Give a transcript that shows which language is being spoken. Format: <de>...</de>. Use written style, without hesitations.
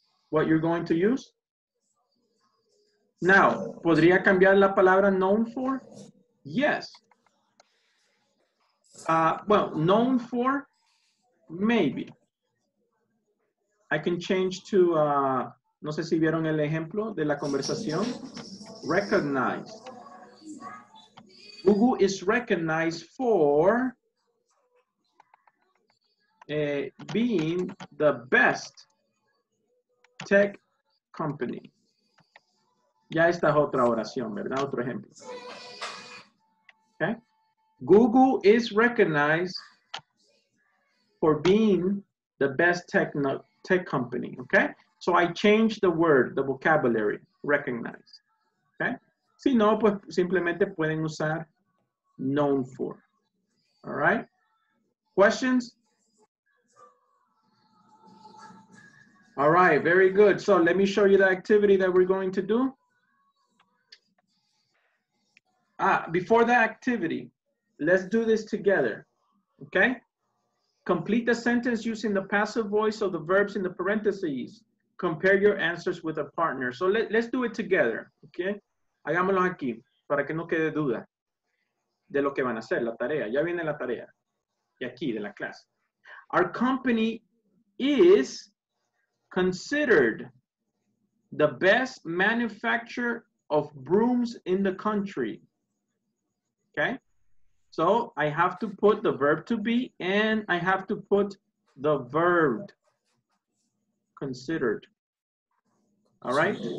<en>What you're going to use? Now,</en> <es>¿podría cambiar la palabra</es> <en>known for? Yes. Well, known for, maybe. I can change to,</en> <es>no sé si vieron el ejemplo de la conversación.</es> <en>Recognized. Google is recognized for being the best tech company.</en> <es>Ya esta es otra oración, ¿verdad? Otro ejemplo. Okay.</es> <en>Google is recognized for being the best tech company. Okay? So I changed the word, the vocabulary, recognized. Okay?</en> <es>Si no, pues simplemente pueden usar known for.</es> <en>All right? Questions? All right, very good. So let me show you the activity that we're going to do. Before the activity, let's do this together, okay? Complete the sentence using the passive voice of the verbs in the parentheses. Compare your answers with a partner. So let's do it together, okay?</en> <es>Hagámoslo aquí, para que no quede duda de lo que van a hacer, la tarea. Ya viene la tarea, y aquí, de la clase.</es> <en>Our company is considered the best manufacturer of brooms in the country. Okay, so I have to put the verb to be and I have to put the verb considered. All right.</en>